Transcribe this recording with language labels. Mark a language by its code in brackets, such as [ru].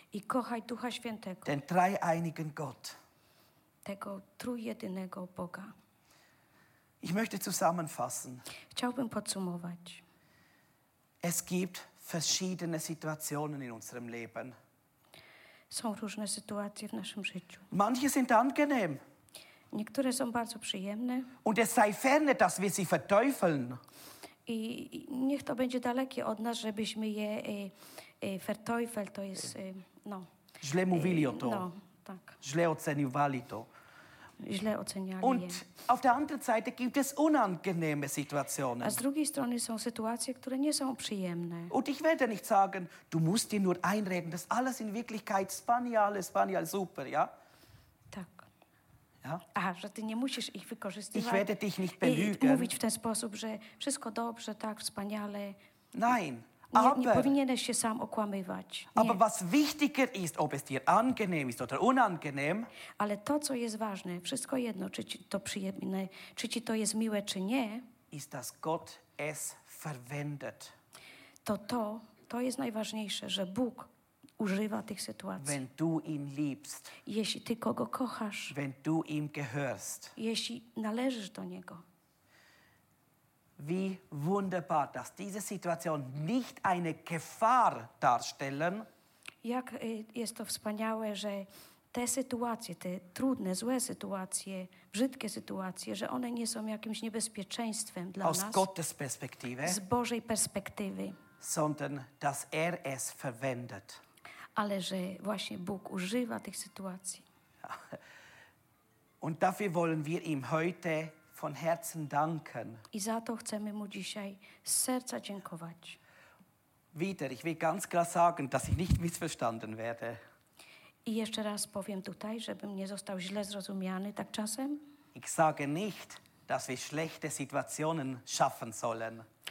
[pl] I kochaj Ducha Świętego. [de] Den dreieinigen Gott. [pl] Tego trójjedynego Boga. [de] Ich möchte zusammenfassen. [pl] Chciałbym podsumować. [de] Es gibt verschiedene Situationen in unserem Leben. [pl] Są różne sytuacje w naszym życiu. [de] Manche sind angenehm. [pl] Niektóre są bardzo przyjemne. [de] Und es sei ferne, dass wir sie verteufeln. [pl] I niech to będzie dalekie od nas, żebyśmy je verteufelt, to jest no. Źle mówili o to. No, tak. Źle oceniowali to. Źle oceniali [de] Und [pl] je. [de] Auf der anderen Seite gibt es unangenehme Situationen. [pl] A z drugiej strony są sytuacje, które nie są przyjemne. [de] Und ich werde nicht sagen, du musst dir nur einreden, das alles in Wirklichkeit spanial, super, ja? [pl] Tak. [de] Ja? [pl] A, że ty nie musisz ich wykorzystywać. [de] Ich werde dich nicht belügen. [pl] I mówić w ten sposób, że wszystko dobrze, tak, wspaniale. [de] Nein. [pl] Nie powinieneś się sam okłamywać. [de] Aber was wichtiger ist, ob es dir angenehm ist oder unangenehm. [pl] Ale to, co jest ważne, wszystko jedno, czy ci to przyjemne, czy ci to jest miłe, czy nie. [de] Ist, dass Gott es verwendet. [pl] To jest najważniejsze, że Bóg używa tych sytuacji. [de] Wenn du ihn liebst. [pl] Jeśli ty kogo kochasz. [de] Wenn du ihm gehörst. [pl] Jeśli należysz do niego. [de] Wie wunderbar, dass diese Situation nicht eine Gefahr darstellen. [pl] Jak jest to wspaniałe, że te sytuacje, te trudne, złe sytuacje, brzydkie sytuacje, że one nie są jakimś niebezpieczeństwem dla [de] aus [pl] nas. [de] Aus Gottes Perspektive. [pl] Z Bożej perspektywy. [de] Sondern, dass er es verwendet. [pl] Ale że właśnie Bóg używa tych sytuacji. [de] Und dafür wollen wir ihm heute von Herzen danken. [pl] I za to chcemy mu dzisiaj z serca dziękować. [de] Wieder, ich will ganz klar sagen, dass ich nicht missverstanden werde. [pl] I jeszcze raz powiem tutaj, żebym nie został źle zrozumiany tak czasem. [de] Ich sage nicht, dass wir schlechte Situationen schaffen sollen.